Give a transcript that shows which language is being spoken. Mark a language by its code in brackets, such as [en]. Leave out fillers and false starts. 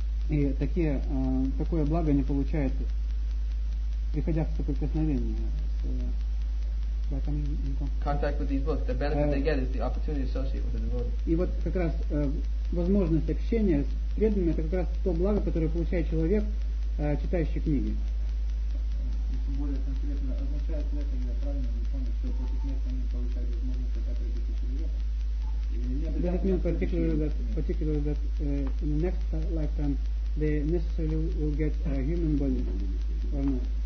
[ru] И такое благо они получают, приходя в соприкосновение с [en] contact with these books. The benefit they get is the opportunity to associate with the devotee. [ru] И вот как раз возможность общения с преданными — это как раз то благо, которое получает человек, читающий книги. Более конкретно, означает ли это, я правильно понял, что после смерти они получают возможность опять прийти к человеку? [en] Does it mean particularly that in the next lifetime they necessarily will get a human body or not?